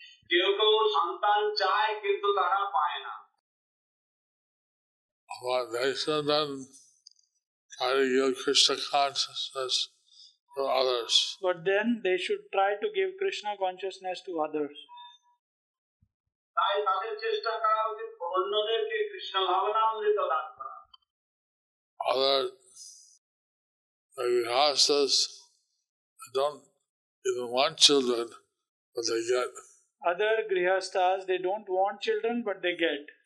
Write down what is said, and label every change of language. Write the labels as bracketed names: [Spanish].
[Bangla] কেউ কেউ সন্তান চায় কিন্তু তারা পায় না. [English] But they should then try to give Krishna consciousness to others. But then they should try to give Krishna consciousness to others. [Bangla] তাই তাদের চেষ্টা করা উচিত অন্যদেরকে কৃষ্ণ ভাবনা অমৃত দান করা. [English] Other grihasthas don't even want children, but they get. Other grihasthas, they don't want children, but they get.